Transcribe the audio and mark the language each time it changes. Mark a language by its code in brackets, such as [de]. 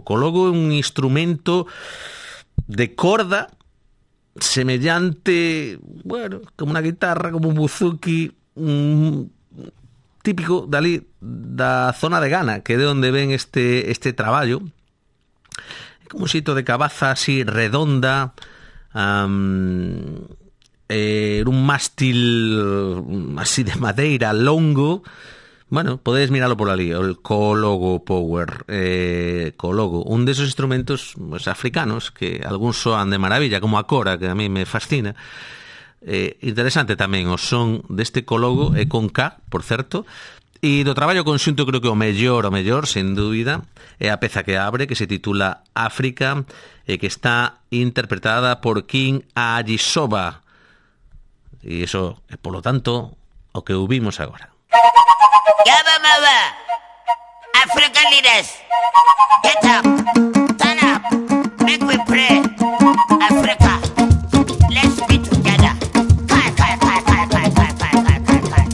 [gl] Kologo é un instrumento de corda semellante, bueno, como unha guitarra, como un buzuki, típico dali da zona de Ghana, que é de onde ven este traballo. É como un xito de cabaza así redonda, un mástil así de madeira longo. Bueno, podedes miralo por ali, el Kologo Power. Kologo, un desos instrumentos pues, africanos que algúns soan de maravilla, como a cora, que a mí me fascina. Interesante tamén o son deste Kologo, e con K, por certo. E do traballo conxunto creo que o mellor, sen dúbida, é a peza que abre, que se titula África, e que está interpretada por King Ajisoba. E iso é, polo tanto, o que ouvimos agora. [en] Yaba Maba, African leaders, get up, turn up, make me pray, Africa, let's be together. Kai, kai, kai, kai, kai, kai, kai, kai, kai, kai.